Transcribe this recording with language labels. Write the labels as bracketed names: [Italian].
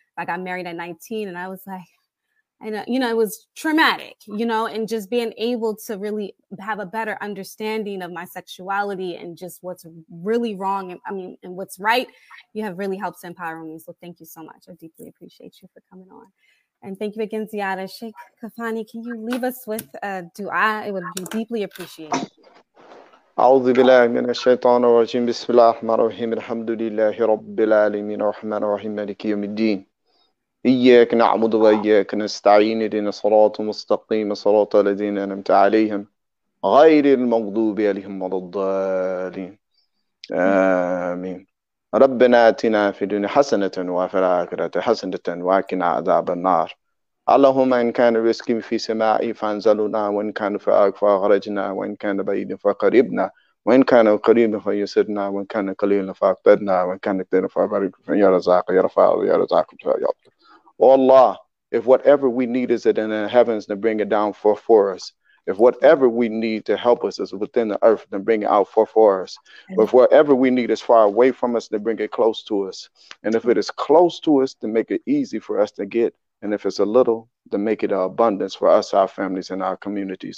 [English] I got married at 19 and I was like, it was traumatic, you know, and just being able to really have a better understanding of my sexuality and just what's really wrong. And what's right. You have really helped to empower me. So thank you so much. I deeply appreciate you for coming on. And thank you again, Ziada. Sheikh Kofani, can you leave us with a dua? It would be deeply appreciated. [Arabic] أعوذ بالله من الشيطان الرجيم. بسم الله الرحمن الرحيم. الحمد لله رب العالمين. الرحمن الرحيم. مالك يوم الدين. إياك نعبد وإياك نستعين اهدنا الصراط المستقيم صراط الذين أنعمت عليهم غير المغضوب عليهم ولا الضالين آمين ربنا آتنا في الدنيا حسنة وفي الآخرة حسنة وقنا عذاب النار اللهم إن كان رزقي في سمائي فأنزلنا وإن كان في الأرض فأخرجنا وإن كان بعيدا فقربنا وإن كان قريبا فيسرنا وإن كان قليلا فأقبضنا وإن كان كثيرا فبارك يا رزاق يا رفاع يا رزاق يا رفاع [English] Oh Allah, if whatever we need is in the heavens, then bring it down for us. If whatever we need to help us is within the earth, then bring it out for us. But if whatever we need is far away from us, then bring it close to us. And if it is close to us, then make it easy for us to get. And if it's a little, then make it an abundance for us, our families, and our communities.